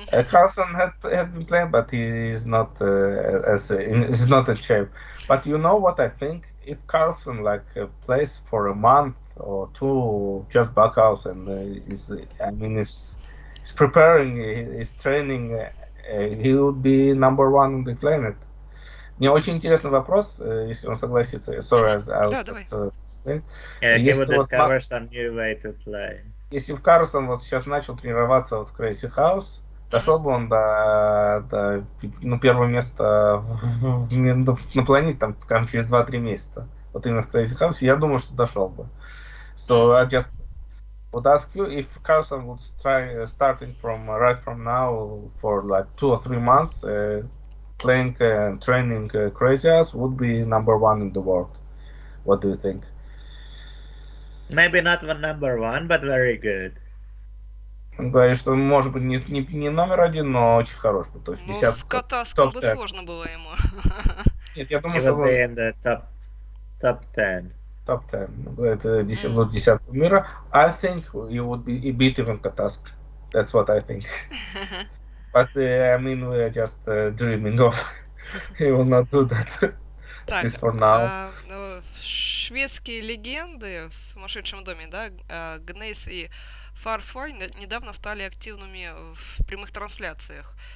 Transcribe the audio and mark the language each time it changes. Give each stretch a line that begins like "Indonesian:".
English: Carlson had been playing, but he is not he's not in shape. But you know what I think? If Carlson plays for a month or two, just Bughouse, and he's preparing, he's training, he would be number one on the planet.
Russian: Мне очень интересный вопрос, если он согласится.
English: Sorry, I'll just... Yeah, he will discover some new way to play.
Russian: Если в Карлсон вот сейчас начал тренироваться вот в Crazy House, дошел бы он до первого места на планете, там, скажем, через 2-3 месяца, вот именно в Crazy House, я думаю, что дошел бы.
English: So I just would ask you, if Carlsen would try starting from right from now for like 2 or 3 months, playing and training Crazyhouse would be number one in the world. What do you think? Maybe not the number one, but very good.
Russian: Он говорит, что может быть не номер один, но очень хорош. То есть десятка. Ну, с Катаском бы сложно было ему. Нет, я думаю, что...
English: He would be in the top 10. Top 10.
Russian: Это десятка мира.
English: I think he would be beat even Катаск. That's what I think. But I mean, we are just dreaming of. He will not do that.
Russian: Так,
English: at least for now.
Russian: Шведские легенды в сумасшедшем доме, да, Гнейс и Фарфой недавно стали активными в прямых трансляциях.